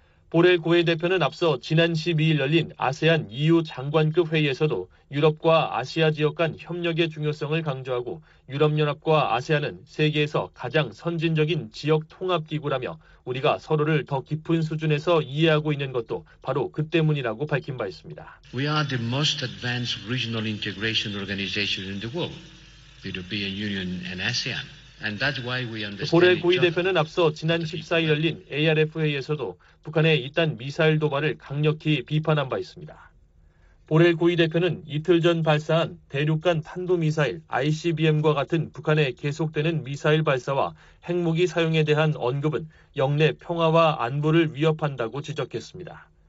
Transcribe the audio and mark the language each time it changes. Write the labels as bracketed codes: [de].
[ko] 보렐 고위 대표는 앞서 지난 12일 열린 아세안 EU 장관급 회의에서도 유럽과 아시아 지역 간 협력의 중요성을 강조하고 유럽연합과 아세안은 세계에서 가장 선진적인 지역 통합기구라며 우리가 서로를 더 깊은 수준에서 이해하고 있는 것도 바로 그 때문이라고 밝힌 바 있습니다. [en] We are the most advanced regional integration organization in the world, the European Union and ASEAN. [ko] 보렐 고위 대표는 앞서 지난 14일 열린 ARF 회의에서도 북한의 잇단 미사일 도발을 강력히 비판한 바 있습니다. 보렐 고위 대표는 이틀 전 발사한 대륙간 탄도미사일 ICBM과 같은 북한의 계속되는 미사일 발사와 핵무기 사용에 대한 언급은 영내 평화와 안보를 위협한다고 지적했습니다.